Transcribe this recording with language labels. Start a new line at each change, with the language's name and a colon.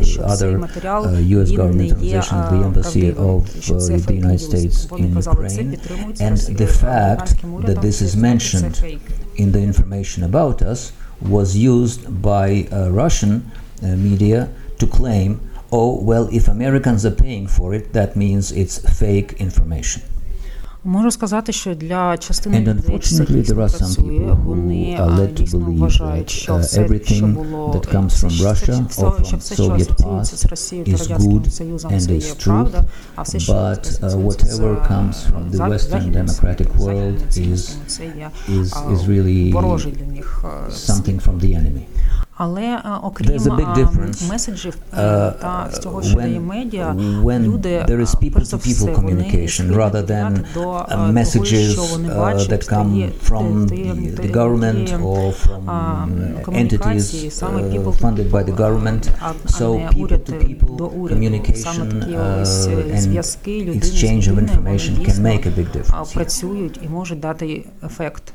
English: other US government organizations, the embassy of the United States in Ukraine, and the fact that this is mentioned in the information about us was used by Russian media to claim, oh, well, if Americans are paying for it, that means it's fake information.
Ukrainian: Можу сказати, що для частини людей, які працюють, вони дійсно вважають, що все, що було з Росії, що все, що стосується з Росією, Радянським Союзом, це є правда, а все, що стосується західних країн, це є Але окрім меседжів та з того, що дає медіа, люди
English: there is people to people communication rather than messages that come from the government or from entities funded by the government. So people to people communication and exchange of information can make a big difference.
Ukrainian: Працюють і можуть дати ефект.